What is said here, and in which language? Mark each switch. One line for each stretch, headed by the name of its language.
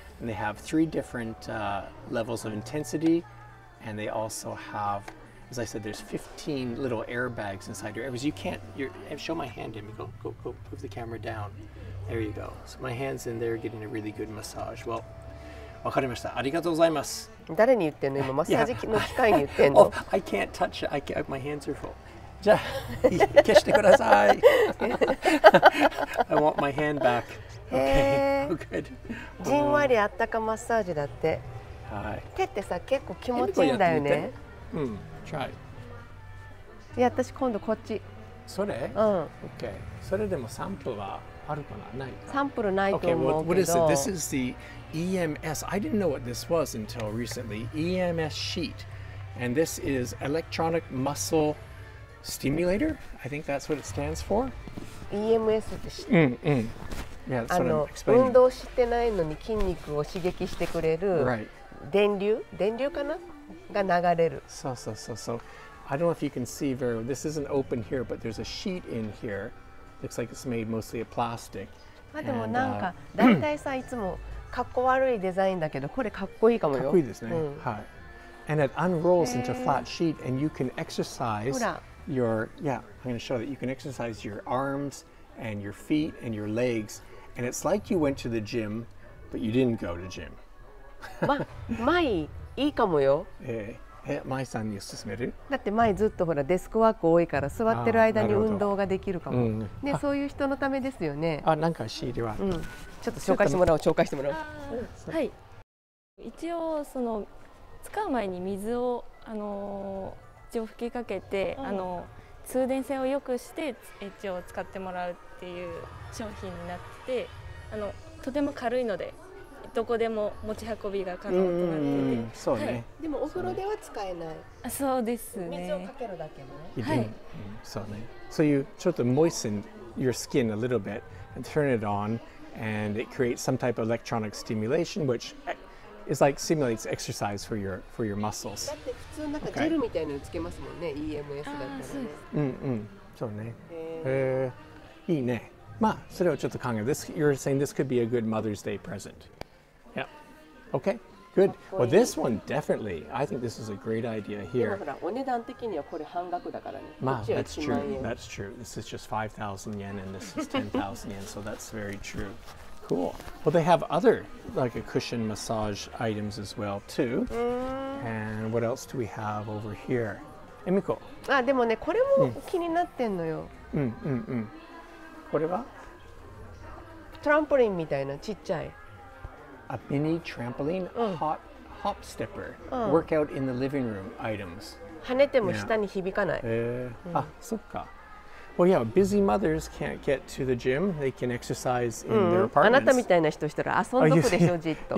English: And they have three different levels of intensity. And they also have... As I said, there's 15 little airbags inside your airbags. You can't, show my hand in me. Go, move the camera down. There you go. So my hand's in there getting a really good massage.
Japanese: Well, わかりました。ありがとうございます。誰に言ってんの今、マッサージの機械に言ってんの
English: Oh, I can't touch it. I can't, my hands are full.
Japanese: じゃあ、消してください。
English: I want my hand back. Okay, oh, good.
Japanese: じんわりあったかマッサージだって。はい。手ってさ、結構気持ちいいんだよね。
English: うん。Try.
Japanese: いや、私今度こっち。それ？うん。
English: Okay.
Japanese: それでもサンプルはあるかな？ない。サンプルないと思うけど。
English: Okay. What is it? This is the EMS. I didn't know what this was until recently. EMS sheet. And this is electronic muscle stimulator. I think that's what it stands for.
Japanese: EMS って知ってる？うんうん。
English: Yeah, that's what I'm explaining.
Japanese: 運動してないのに筋肉を刺激してくれる。
English: Right.
Japanese: 電流？電流かな？が流れる。そうそうそうそう。
English: I don't know if you can see very well. This isn't open here, but there's a sheet in here. Looks like it's made mostly of plastic.
Japanese: まあでもなんか、だいたいさ、いつもかっこ悪いデザインだけど、これかっこいいかもよ。かっこいいですね。うん、はい。
English: And it unrolls into a flat sheet, and you can exercise your... Yeah, I'm going to show that. You can exercise your arms and your feet and your legs. And it's like you went to the gym, but you didn't go to gym.
Japanese: まあ、いいかもよ。マイさんに勧める？だって前ずっとほらデスクワーク多いから座ってる間に運動ができるかも。ね、そういう人のためですよね。あ、なんかシールは、うん。ちょっと紹介してもらおう、紹介してもらおう。はい。一応その使う前に水を一応吹きかけて、通電性を良くして一応使ってもらうっていう商品になって、とても軽いので。どこでも持ち運びが可能となってて、そうね、はい、でもお風呂では使えない。あ、そうですね。水をかけるだけのね。はい、そうね。
English: So you
Japanese: ちょっと
English: moisten your skin a little bit and turn it on, and it creates some type of electronic stimulation, which is like simulates exercise for your muscles.
Japanese: だって普通なんかジェルみたいなのつけますもんね、EMS だったらね。そうです。そうね。いいね。まあそれをちょっと考え、
English: this you're saying this could be a good Mother's Day present. Okay, good. Well, this one definitely. I think this is a great idea here. That's true. This is just 5,000 yen and this is 10,000 yen. So that's very true. Cool. Well, they have other, like a cushion massage items as well, too. And what else do we have over here? Emiko.
Japanese: Ah, でもね、これも気になってんのよ。これは？トランポリンみたいなちっちゃい。
English: A mini trampoline, hop stepper, workout in the living room items.
Japanese: 跳ねても下に響かない。あ、そっか。
English: Well, yeah, busy mothers can't get to the gym. They can exercise in their apartments.
Japanese: あなたみたいな人したら遊んどくでしょ、じっと。